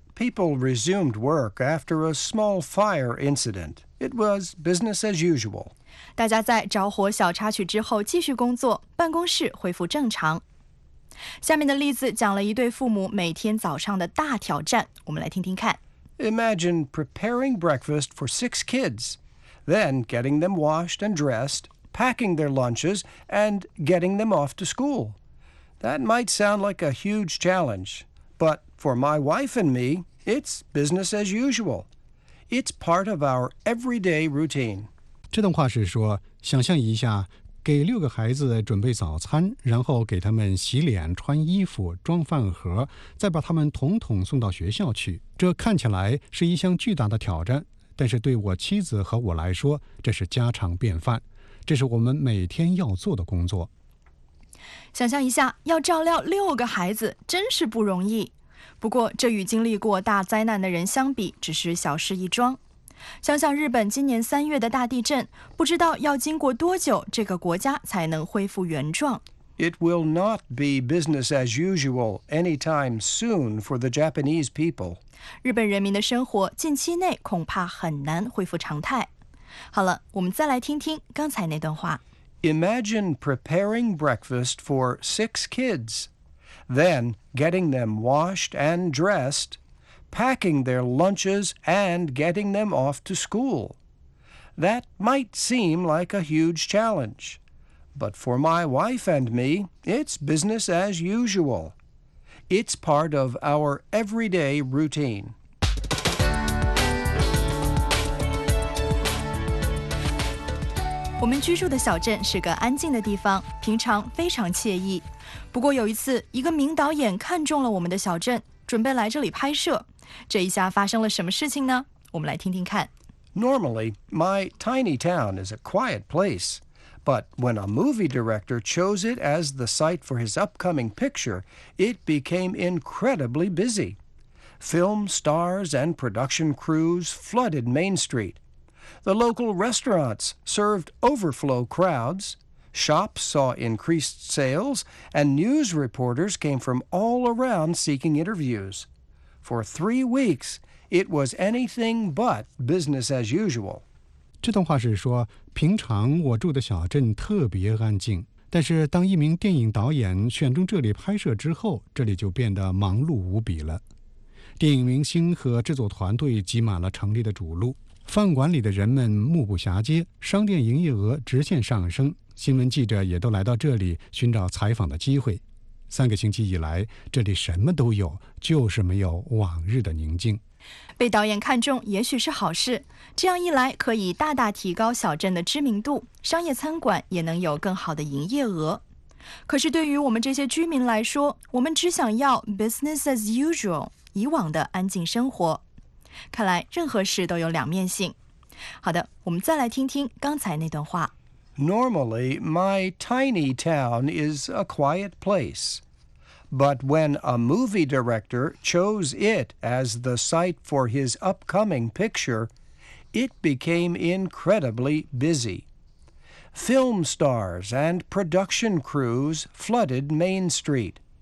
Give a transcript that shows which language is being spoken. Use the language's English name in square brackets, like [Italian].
[English] ，People resumed work after a small fire incident. It was business as usual. [Chinese] 大家在着火小插曲之后继续工作，办公室恢复正常。下面的例子讲了一对父母每天早上的大挑战，我们来听听看。 [English] Imagine preparing breakfast for 6 kids, then getting them washed and dressed, packing their lunches, and getting them off to school. That might sound like a huge challenge, but for my wife and me, it's business as usual. It's part of our everyday routine. [Chinese] 这段话是说，想象一下，给六个孩子准备早餐，然后给他们洗脸、穿衣服、装饭盒，再把他们统统送到学校去。这看起来是一项巨大的挑战，但是对我妻子和我来说，这是家常便饭，这是我们每天要做的工作。想象一下，要照料六个孩子，真是不容易。不过，这与经历过大灾难的人相比，只是小事一桩。想想日本今年3月的大地震，不知道要经过多久，这个国家才能恢复原状。 [English] It will not be business as usual anytime soon for the Japanese people. [Chinese] 日本人民的生活近期内恐怕很难恢复常态。好了，我们再来听听刚才那段话。 [English] Imagine preparing breakfast for six kids, then getting them washed and dressed, packing their lunches, and getting them off to school. That might seem like a huge challenge, but for my wife and me, it's business as usual. It's part of our everyday routine. [Chinese] 我们居住的小镇是个安静的地方，平常非常惬意。不过有一次，一个名导演看中了我们的小镇，准备来这里拍摄。这一下发生了什么事情呢？我们来听听看。 [English] Normally, my tiny town is a quiet place, but when a movie director chose it as the site for his upcoming picture, it became incredibly busy. Film stars and production crews flooded Main Street. The local restaurants served overflow crowds, shops saw increased sales, and news reporters came from all around seeking interviews. For 3 weeks, it was anything but business as usual. [Chinese] 这段话是说，平常我住的小镇特别安静，但是当一名电影导演选中这里拍摄之后，这里就变得忙碌无比了。电影明星和制作团队挤满了城里的主路。饭馆里的人们目不暇接，商店营业额直线上升，新闻记者也都来到这里寻找采访的机会。三个星期以来，这里什么都有，就是没有往日的宁静。被导演看中也许是好事，这样一来可以大大提高小镇的知名度，商业餐馆也能有更好的营业额。可是对于我们这些居民来说，我们只想要 [English] business as usual， [Chinese] 以往的安静生活。看来任何事都有两面性。好的，我们再来听听刚才那段话。 [English] Normally, my tiny town is a quiet place. But when a movie director chose it as the site for his upcoming picture, it became incredibly busy. Film stars and production crews flooded Main Street.